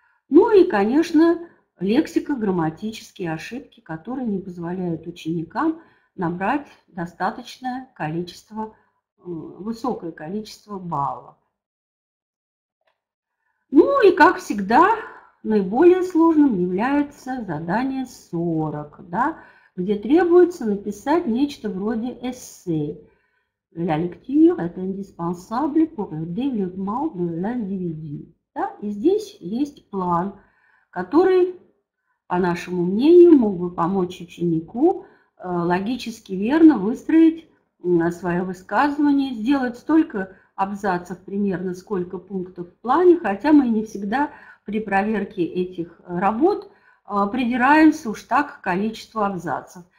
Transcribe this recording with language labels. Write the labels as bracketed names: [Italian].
[Russian] Ну и, конечно, лексико-грамматические ошибки, которые не позволяют ученикам набрать достаточное количество, высокое количество баллов. Ну и, как всегда, наиболее сложным является задание 40, да, где требуется написать нечто вроде эссе. [French] La lecture est indispensable pour le développement de l'individu. [Russian] Да, и здесь есть план, который, по нашему мнению, мог бы помочь ученику логически верно выстроить свое высказывание, сделать столько абзацев примерно, сколько пунктов в плане, хотя мы не всегда при проверке этих работ придираемся уж так к количеству абзацев.